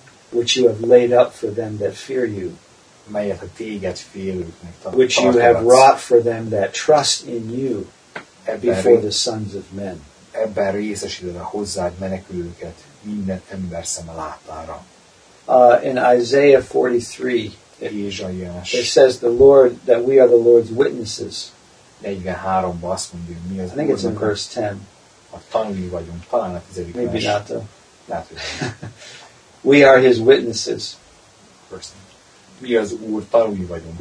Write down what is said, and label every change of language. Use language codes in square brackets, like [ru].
[en] Which you have laid up for them that fear you. [hu] Melyet a téged félőknek tartogatsz. [en] Which you have wrought for them that trust in you before the sons of men. [hu] Ebben részesíted a hozzád menekülőket minden ember szeme láttára. [en] In Isaiah 43, it says the Lord that we are the Lord's witnesses. [hu] 43-ban azt mondja, mi az [en] I think it's in verse 10. [hu] A tanulni vagyunk, talán a 10. [en] Maybe [hu] vers. [en] Not though. We are his witnesses. [hu] Mi az Úr tanulni vagyunk.